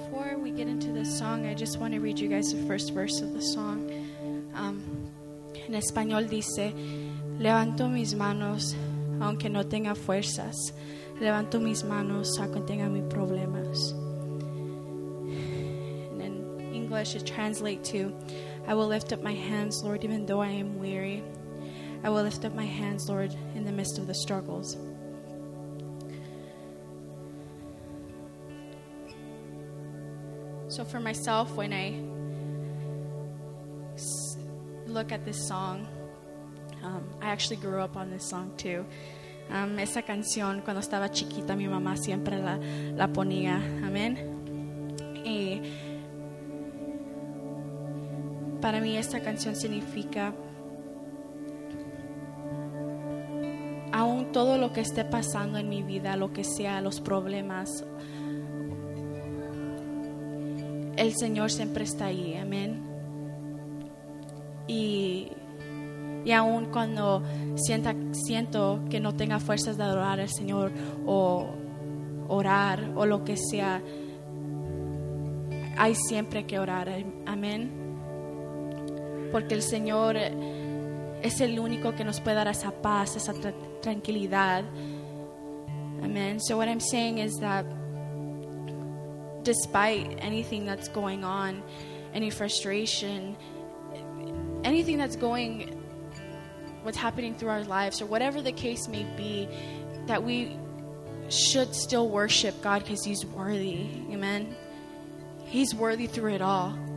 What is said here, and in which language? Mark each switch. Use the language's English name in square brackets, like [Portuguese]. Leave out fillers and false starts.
[English] I just want to read you guys the first verse of the song. [Spanish] En español dice, levanto mis manos aunque no tenga fuerzas. Levanto mis manos aunque tenga mis problemas. [English] And in English it translates to, I will lift up my hands, Lord, even though I am weary. I will lift up my hands, Lord, in the midst of the struggles. So for myself, when I look at this song, I actually grew up on this song too. [Spanish] Esa canción, cuando estaba chiquita, mi mamá siempre la ponía. Amen. Y para mí esta canción significa, aún todo lo que esté pasando en mi vida, lo que sea, los problemas, el Señor siempre está ahí, amén. Y aun cuando siento que no tenga fuerzas de adorar al Señor o orar o lo que sea, hay siempre que orar, amén. Porque el Señor es el único que nos puede dar esa paz, esa tranquilidad, amén. [English] So what I'm saying is that despite anything that's going on, any frustration, anything that's going, what's happening through our lives, or whatever the case may be, that we should still worship God because He's worthy. Amen. He's worthy through it all.